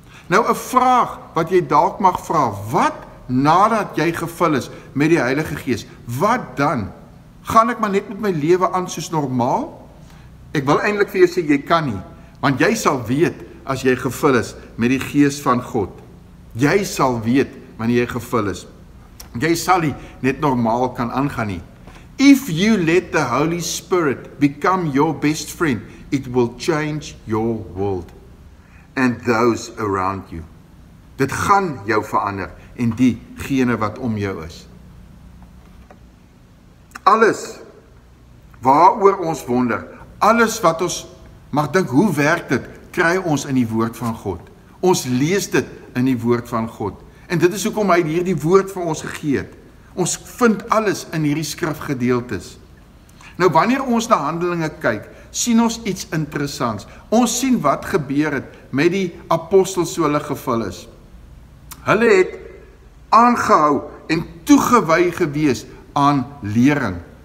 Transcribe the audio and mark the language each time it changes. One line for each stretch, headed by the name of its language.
Afrikaans: Nou 'n vraag wat jy dalk mag vra, wat nadat jy gevul is met die Heilige Gees, wat dan? Gaan ek maar net met my lewe aan soos normaal? Ek wil eintlik vir jou sê jy kan nie, want jy sal weet as jy gevul is met die Gees van God. Jy sal weet wanneer jy gevul is. Jy sal nie net normaal kan aangaan nie.
English: If you let the Holy Spirit become your best friend, it will change your world and those around you.
Afrikaans: Dit gaan jou verander en diegene wat om jou is. Alles waaroor ons wonder, alles wat ons mag dink, hoe werk dit, kry ons in die woord van God. Ons lees dit in die woord van God. En dit is hoekom hy hierdie woord vir ons gegee het. Ons vind alles in hierdie skrifgedeeltes. Nou wanneer ons na Handelinge kyk, sien ons iets interessants. Ons sien wat gebeur het met die apostels so hulle gevul is. Hulle het aangehou en toegewy gewees aan lering.